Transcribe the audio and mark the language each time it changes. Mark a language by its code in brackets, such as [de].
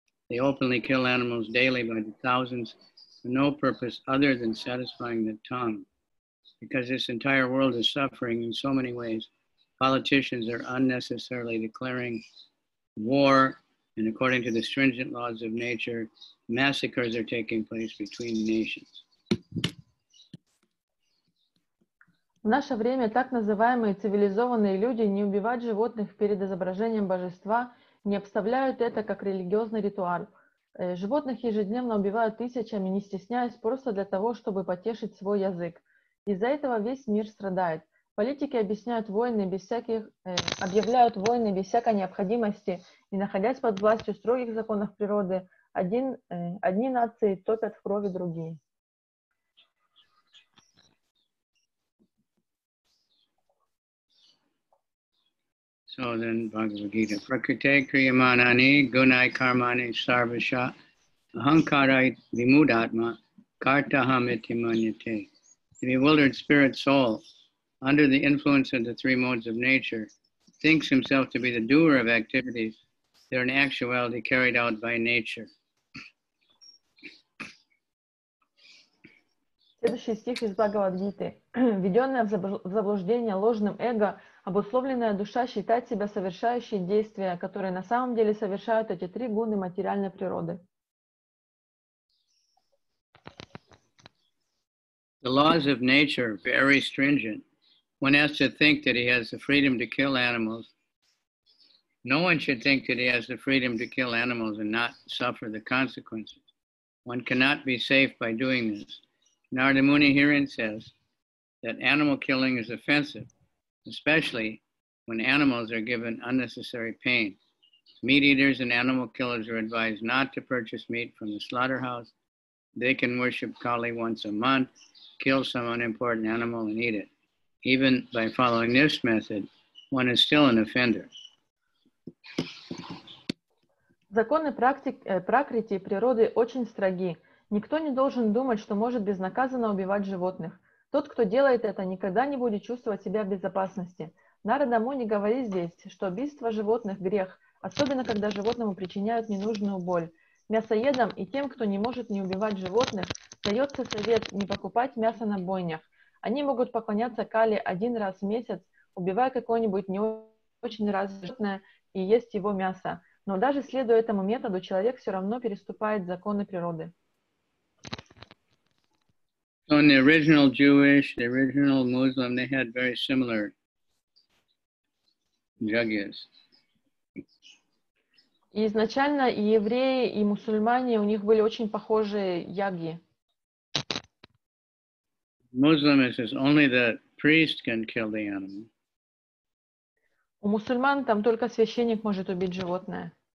[en] They openly kill animals daily by the thousands for no purpose other than satisfying the tongue. Because this entire world is suffering in so many ways, politicians are unnecessarily declaring war, and according to the stringent laws of nature, massacres are taking place between nations. [ru] В наше время так называемые цивилизованные люди не убивают животных перед изображением божества, не обставляют это как религиозный ритуал. Животных ежедневно убивают тысячами, не стесняясь, просто для того, чтобы потешить свой язык. Из-за этого весь мир страдает. Политики объясняют войны без всяких, объявляют войны без всякой необходимости, и, находясь под властью строгих законов природы, одни нации топят в крови другие. [en] So then, Bhagavad Gita. [sa] Prakrite kriyamanani gunai karmani sarvasha ahankarai vimudatma kartaham iti manyate. [en] The bewildered spirit soul, under the influence of the three modes of nature, thinks himself to be the doer of activities that are in actuality carried out by nature. [ru] Следующий стих из Бхагавад-гиты. Введенная в заблуждение ложным эго, обусловленная душа считает себя совершающей действия, которые на самом деле совершают эти три гуны материальной природы. [en] The laws of nature are very stringent. One has to think that he has the freedom to kill animals. No one should think that he has the freedom to kill animals and not suffer the consequences. One cannot be safe by doing this. Narada Muni herein says that animal killing is offensive, especially when animals are given unnecessary pain. Meat eaters and animal killers are advised not to purchase meat from the slaughterhouse. They can worship Kali once a month, kill some unimportant animal and eat it. Even by following this method, one is still an offender. [ru] Законы Пракрити природы очень строги. Никто не должен думать, что может безнаказанно убивать животных. Тот, кто делает это, никогда не будет чувствовать себя в безопасности. Нарада Муни говорит здесь, что убийство животных – грех, особенно когда животному причиняют ненужную боль. Мясоедам и тем, кто не может не убивать животных, дается совет не покупать мясо на бойнях. Они могут поклоняться Кали один раз в месяц, убивая какое-нибудь не очень развитое животное и есть его мясо. Но даже следуя этому методу, человек все равно переступает законы природы. [en] So in the original Jewish, the original Muslim, they had very similar jugyas. [ru] Изначально и евреи, и мусульмане, у них были очень похожие ягьи. [en] Muslim says only the priest can kill the animal. [ru] У мусульман там только священник может убить животное.